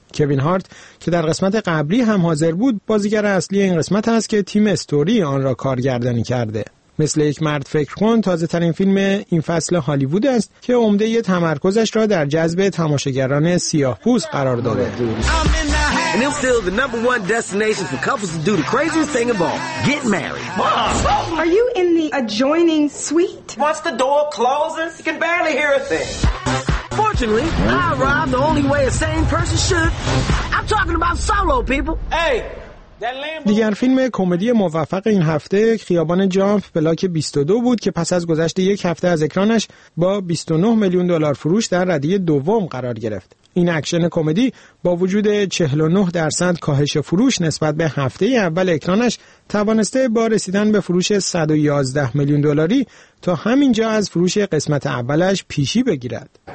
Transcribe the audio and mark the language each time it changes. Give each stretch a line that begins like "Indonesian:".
Persian: کوین هارت که در قسمت قبلی هم حاضر بود بازیگر اصلی این قسمت است که تیم استوری آن را کارگردانی کرده. مثل یک مرد فکر کن تازه ترین فیلم این فصل هالیوود است که عمده یه تمرکزش را در جذب تماشاگران سیاه پوست قرار داده.
English: And it's still the number one destination for couples to do the craziest thing of all, get married. Mom! Are you in the adjoining suite? Once the door closes, you can barely hear a thing. Fortunately, I arrived the only way a sane person should. I'm talking about solo, people. Hey!
Persian: دیگر فیلم کمدی موفق این هفته خیابان جامپ بلاک 22 بود که پس از گذشت یک هفته از اکرانش با 29 میلیون دلار فروش در ردیه دوم قرار گرفت. این اکشن کمدی با وجود 49% کاهش فروش نسبت به هفته اول اکرانش توانسته با رسیدن به فروش 111 میلیون دلاری تا همینجا از فروش قسمت اولش پیشی بگیرد.